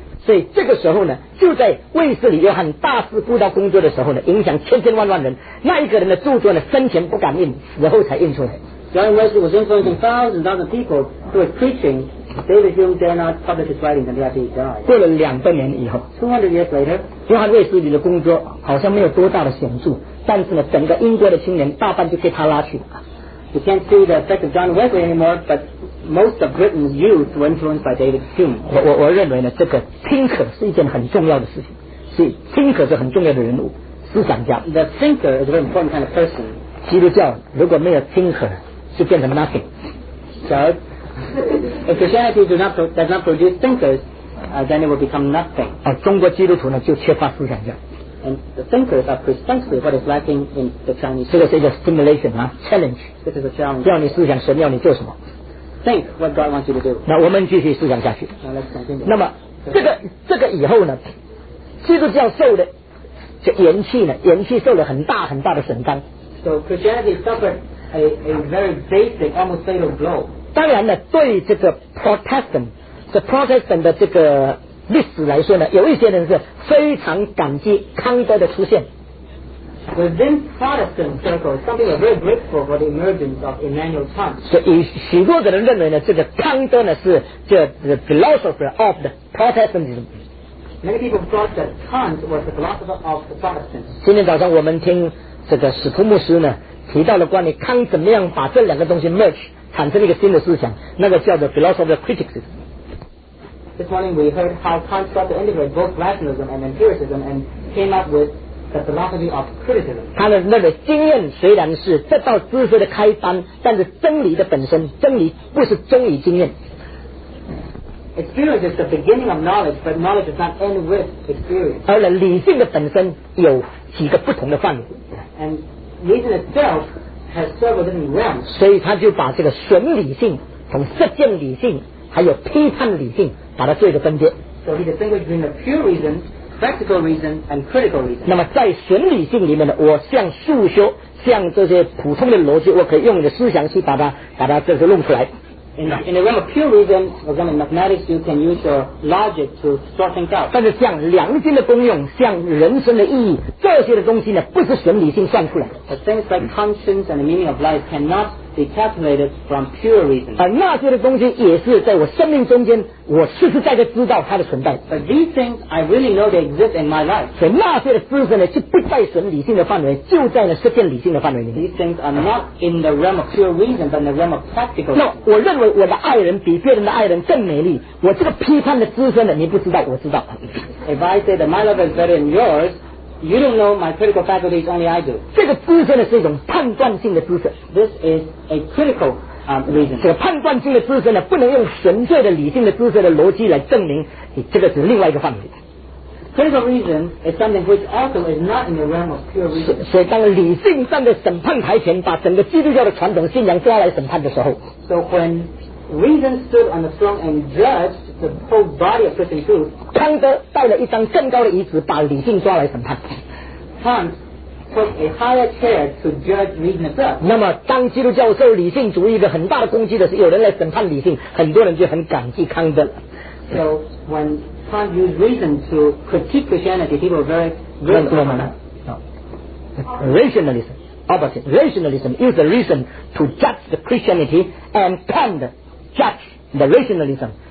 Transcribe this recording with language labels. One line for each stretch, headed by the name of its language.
Chinese: 所以这个时候呢，就在卫斯理约翰大肆布道工作的时候呢，影响千千万万人。那一个人的著作呢，生前不敢印，死后才印出来。
English: John Wesley was influencing thousands and thousands of people who were preaching. David Hume dare not publish his writings until after he died.
Chinese: 过了两百年以后
English: ，200 years later，
Chinese: 约翰卫斯理的工作好像没有多大的显著，但是呢，整个英国的青年大半就被他拉去了。
English: You can't see the effect of John Wesley anymore, but most of Britain's youth were influenced by David Hume.
Chinese: 我认为呢，这个 thinker 是一件很重要的事情。所以 thinker 是很重要的人物，思想家。
English: The thinker is a very important kind of person.
Chinese: 基督教如果没有 thinker， 就变成 nothing.
English: So, if Christianity does not produce thinkers, then it will become nothing.
Chinese: 中国基督徒呢就缺乏思想家。
English: And the thinkers are precisely what is lacking in the Chinese.
Chinese: 这个是一个 stimulation 啊 ，challenge.
English: This is a challenge.
Chinese: 要你思想，神要你做什么
English: ？Think what God wants you to do.
Chinese: 那我们继续思想下去。
English: Now let's continue.
Chinese: 那么这个以后呢，基督教受的这元气呢，元气受了很大很大的损伤。
English: So Christianity suffered a very basic, almost fatal blow.
Chinese: 当然呢，对这个 Protestant 的这个。历史来说呢，有一些人是非常感激康德的出现。
English: Within Protestant circles, some people are very grateful for the emergence of Immanuel Kant.
Chinese: 所以许多的人认为呢，这个康德呢是叫
English: the philosopher of the Protestantism. Many people thought that Kant was the philosopher of the Protestants.
Chinese: 今天早上我们听这个史图牧师呢提到了关于康怎么样把这两个东西 merge 产生一个新的思想，那个叫做 philosophy of criticism。
English: This morning we heard how Kant sought to integrate both rationalism and empiricism and came up with the philosophy of criticism.
Chinese: 他的那个经验虽然是这道知识的开端，但是真理的本身，真理不是终于经验。
English: Experience is the beginning of knowledge, but knowledge does not end with experience.
Chinese: 而理性的本身有几个不同的范围。
English: And reason itself has several different realms.
Chinese: 所以他就把这个损理性、从实践理性，还有批判理性。把它做一个分别。
English: So he distinguished between the pure reason, practical reason, and critical reason.
Chinese: 那么在损理性里面呢，我像数学，像这些普通的逻辑，我可以用你的思想去把它这些弄出来。
English: In the realm of pure reason, for example, mathematics, you can use your logic to sort things out.
Chinese: 但是像良心的功用，像人生的意义，这些的东西呢，不是损理性算出来的。
English: But things like conscience and the meaning of life cannot. Calculated from pure reason.
Chinese: 那些的东西也是在我生命中间，我实实在在知道它的存在。
English: But these things I really know they exist in my life.
Chinese: 所以那些的知识呢，就不在纯理性的范围，就在呢实践理性的范围里面。
English: These things are not in the realm of pure reason, but in the realm of practical.
Chinese: 那我认为我的爱人比别人的爱人更美丽，我这个批判的知识呢，你不知道，我知道。
English: If I say that my love is better than yours. You don't know my critical faculties, only I do.
Chinese: 这个知识呢是一种判断性的知识。
English: This is a critical reason.
Chinese: 这个判断性的知识呢，不能用纯粹的理性的知识的逻辑来证明，你这个是另外一个范围。
English: Critical reason is something which also is not in the realm of pure reason.
Chinese: 所以当理性站在审判台前，把整个基督教的传统信仰抓来审判的时候
English: ，So when reason stood on the throne and judged. The whole body of Christian truth.
Chinese: 康德带了一张更高的椅子，把理性抓来审判。
English: Kant took a higher chair to judge reason itself.
Chinese: 那么，当基督教受理性主义的很大的攻击的时候，有人来审判理性，很多人就很感激康德。
English: So when Kant used reason to critique Christianity, people were very rationalism. Opposite. Rationalism used the reason to judge the Christianity, and Kant judged the rationalism.